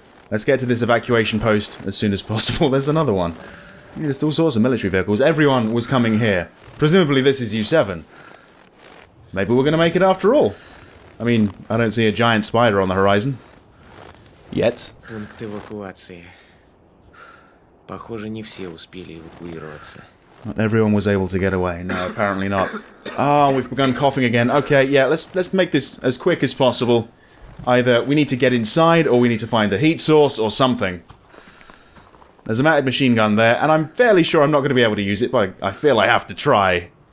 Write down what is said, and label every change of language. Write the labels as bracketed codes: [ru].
[en] Let's get to this evacuation post as soon as possible. There's another one. Yeah, there's all sorts of military vehicles. Everyone was coming here. Presumably this is U7. Maybe we're going to make it after all. I mean, I don't see a giant spider on the horizon. Yet. [ru] Пункт эвакуации. Похоже, не все успели эвакуироваться. [en] Not everyone was able to get away. No, apparently not. Ah, we've begun coughing again. Okay, yeah, let's make this as quick as possible. Either we need to get inside, or we need to find a heat source, or something. There's a matted machine gun there, and I'm fairly sure I'm not going to be able to use it, but I feel I have to try.